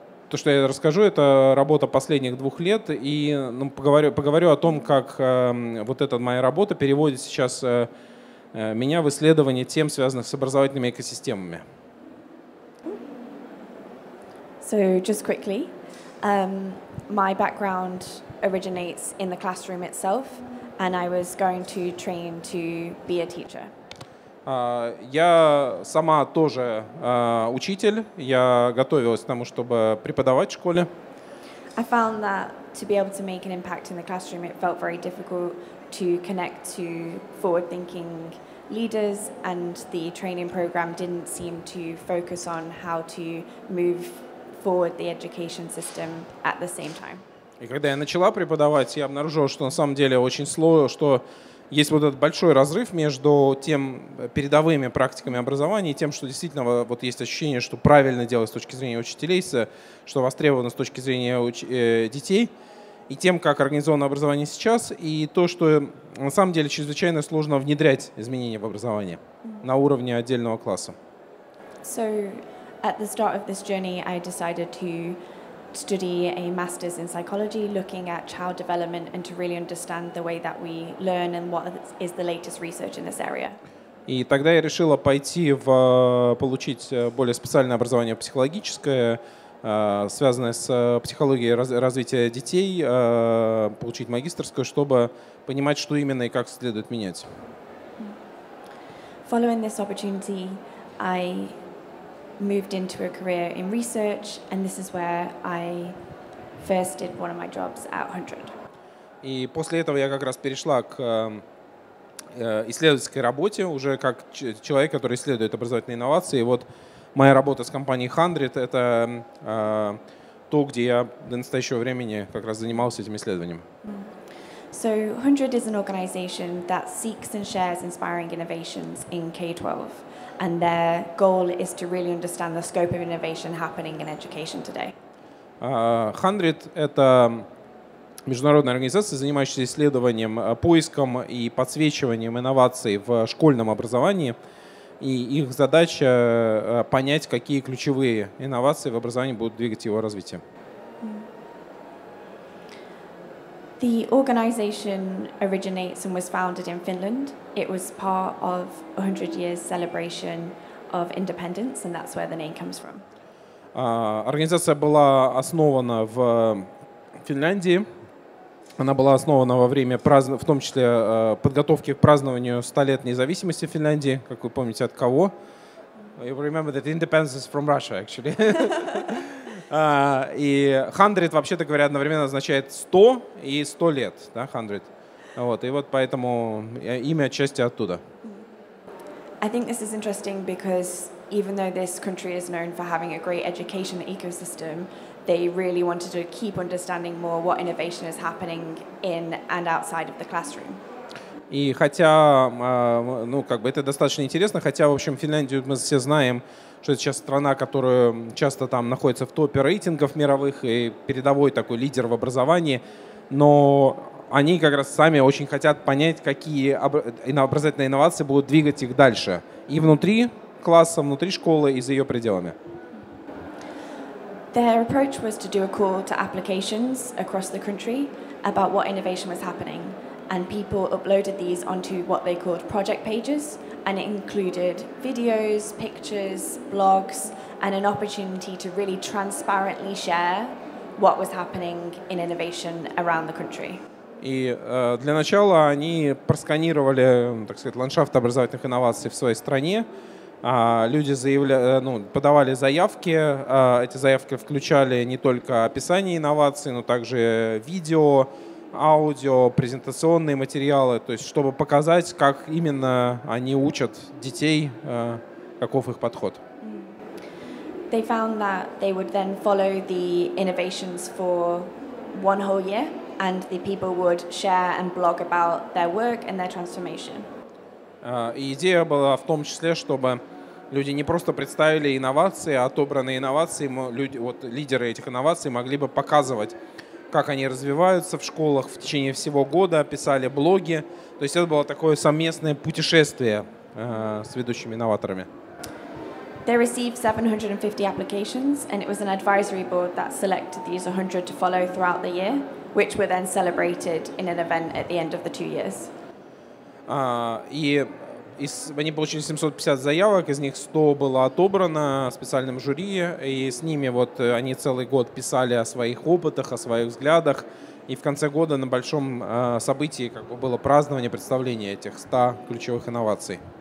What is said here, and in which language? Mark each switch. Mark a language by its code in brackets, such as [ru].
[ru] То, что я расскажу, это работа последних двух лет, и ну, поговорю о том, как вот эта моя работа переводит сейчас меня в исследование тем, связанных с образовательными экосистемами. [en] So just quickly, my background originates in the classroom itself, and I was going to train to be a teacher. [ru] Я сама тоже учитель. Я готовилась к тому, чтобы преподавать в школе. [en] I found that to be able to make an impact in the classroom, it felt very difficult to connect to forward-thinking leaders, and the training program didn't seem to focus on how to move forward the education system at the same time. [ru] И когда я начала преподавать, я обнаружила, что на самом деле очень сложно, что есть вот этот большой разрыв между тем передовыми практиками образования и тем, что действительно вот есть ощущение, что правильно делать с точки зрения учителей, что востребовано с точки зрения детей, и тем, как организовано образование сейчас, и то, что на самом деле чрезвычайно сложно внедрять изменения в образование на уровне отдельного класса. [en] So, at the start of this journey, I decided to study a master's in psychology, looking at child development and to really understand the way that we learn and what is the latest research in this area. [ru] И тогда я решила пойти получить более специальное образование психологическое, связанная с психологией развития детей, получить магистерскую, чтобы понимать, что именно и как следует менять. [en] Following this opportunity, I moved into a career in research, and this is where I first did one of my jobs at 100. [ru] И после этого я как раз перешла к исследовательской работе, уже как человек, который исследует образовательные инновации. И вот моя работа с компанией HundrED – это то, где я до настоящего времени как раз занимался этим исследованием. [en] So, HundrED is an organization that seeks and shares inspiring innovations in K-12. And their goal is to really understand the scope of innovation happening in education today. [ru] HundrED – это международная организация, занимающаяся исследованием, поиском и подсвечиванием инноваций в школьном образовании. И их задача – понять, какие ключевые инновации в образовании будут двигать его развитие. [en] The organization originates and was founded in Finland. It was part of 100 years celebration of independence, and that's where the name comes from. [ru] Организация была основана в Финляндии. Она была основана во время, в том числе, подготовки к празднованию 100-летней независимости Финляндии. Как вы помните, от кого? [en] You remember that independence is from Russia, actually. [ru] И 100, вообще-то говоря, одновременно означает 100 и 100 лет, да, 100. Вот, и вот поэтому имя отчасти оттуда. [en] I think this is interesting because even though this country is known for having a great education ecosystem, they really wanted to keep understanding more what innovation is happening in and outside of the classroom. [ru] И хотя, ну, как бы это достаточно интересно, хотя, в общем, Финляндию мы все знаем, что это сейчас страна, которая часто там находится в топе рейтингов мировых и передовой такой лидер в образовании, но они как раз сами очень хотят понять, какие образовательные инновации будут двигать их дальше и внутри класса, внутри школы и за ее пределами. [en] Their approach was to do a call to applications across the country about what innovation was happening. And people uploaded these onto what they called project pages. And it included videos, pictures, blogs, and an opportunity to really transparently share what was happening in innovation around the country. [ru] И для начала они просканировали, так сказать, ландшафт образовательных инноваций в своей стране. Люди подавали заявки, эти заявки включали не только описание инноваций, но также видео, аудио, презентационные материалы, то есть чтобы показать, как именно они учат детей, каков их подход. [en] They found that they would then follow the innovations for one whole year, and the people would share and blog about their work and their transformation. [ru] Идея была в том числе, чтобы люди не просто представили инновации, а отобранные инновации, люди, вот, лидеры этих инноваций могли бы показывать, как они развиваются в школах в течение всего года, писали блоги. То есть это было такое совместное путешествие с ведущими инноваторами. [en] They received 750 applications, and it was an advisory board that selected these 100 to follow throughout the year, which were then celebrated in an event at the end of the two years. [ru] Они получили 750 заявок, из них 100 было отобрано специальным жюри, и с ними вот они целый год писали о своих опытах, о своих взглядах, и в конце года на большом событии как бы было празднование, представление этих 100 ключевых инноваций.